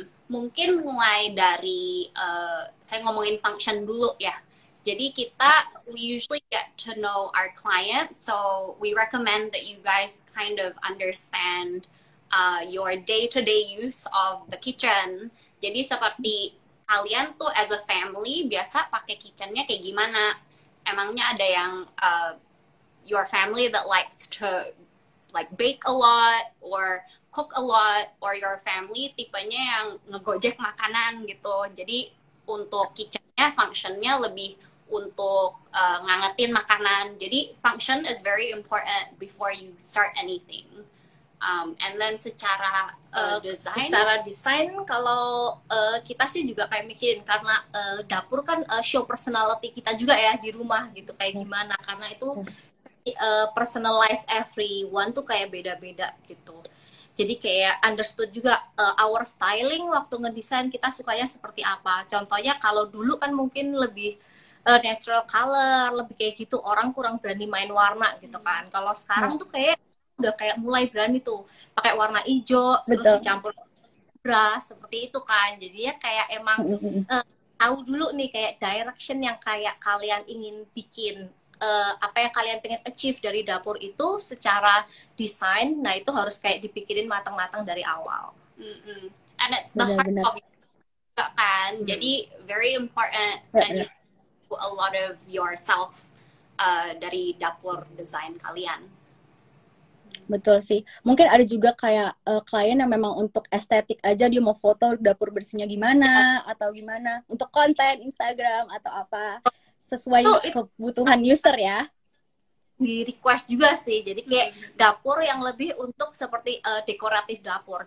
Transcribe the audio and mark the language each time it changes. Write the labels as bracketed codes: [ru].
[id] Mungkin mulai dari saya ngomongin function dulu ya. Jadi kita, [en] we usually get to know our clients, so we recommend that you guys kind of understand your day-to-day use of the kitchen. [id] Jadi seperti kalian tuh [en] as a family [id] biasa pakai kitchennya kayak gimana? Emangnya ada yang [en] your family that likes to like bake a lot or cook a lot, or your family [id] tipenya yang ngegojek makanan gitu. Jadi untuk kitchennya, functionnya lebih untuk ngangetin makanan. [en] Jadi function is very important before you start anything. And then [id] secara design. Secara desain, kalau kita sih juga kayak mikirin, karena dapur kan show personality kita juga ya di rumah gitu, kayak gimana. Karena itu [en] personalize everyone [id] tuh kayak beda-beda gitu. Jadi kayak understood juga [en] our styling [id] waktu ngedesain kita sukanya seperti apa. Contohnya kalau dulu kan mungkin lebih natural color, lebih kayak gitu, orang kurang berani main warna gitu kan. Kalau sekarang tuh kayak udah kayak mulai berani tuh pakai warna hijau, betul, terus dicampur brush seperti itu kan. Jadi ya kayak emang tahu dulu nih kayak direction yang kayak kalian ingin bikin. Apa yang kalian pengen achieve dari dapur itu secara desain, nah itu harus kayak dipikirin matang-matang dari awal. [en] Mm-hmm. And it's the heart of it, kan? Mm-hmm. Jadi very important and you put a lot of yourself [id] dari dapur desain kalian. Betul sih. Mungkin ada juga kayak klien yang memang untuk estetik aja dia mau foto dapur bersihnya gimana atau gimana untuk konten Instagram atau apa. Sesuai kebutuhan user ya. Di request juga sih. Jadi kayak dapur yang lebih untuk seperti dekoratif dapur.